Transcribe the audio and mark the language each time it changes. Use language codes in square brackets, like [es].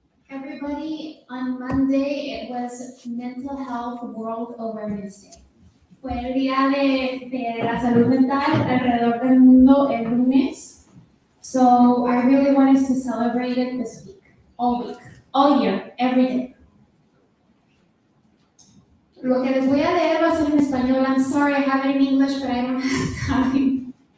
[en] Everybody, on Monday, it was Mental Health World Awareness Day. [es] Fue el día de la salud mental alrededor del mundo el lunes. [en] So I really want us to celebrate it this week, all year, every day. [es] Lo que les voy a leer va a ser en español. [en] I'm sorry, I have it in English, but I don't have time.